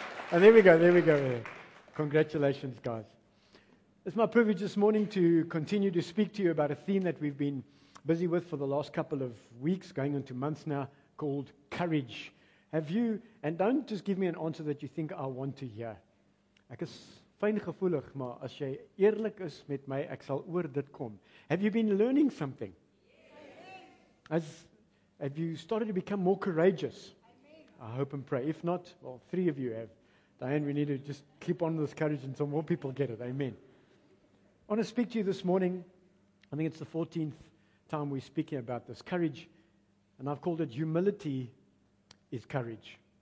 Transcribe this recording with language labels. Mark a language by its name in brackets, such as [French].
[English] And there we go, there we go. Congratulations, guys. It's my privilege this morning to continue to speak to you about a theme that we've been busy with for the last couple of weeks, going into months now, called courage. Have you, and don't just give me an answer that you think I want to hear. [Afrikaans] Ek is fyn gevoelig, maar as jy eerlik is met my, ek sal oor dit kom. [English] Have you been learning something? As, have you started to become more courageous? I hope and pray. If not, well, three of you have. Diane, we need to just keep on this courage until more people get it. Amen. I want to speak to you this morning. I think it's the 14th. Time we're speaking about this courage, and I've called it humility is courage.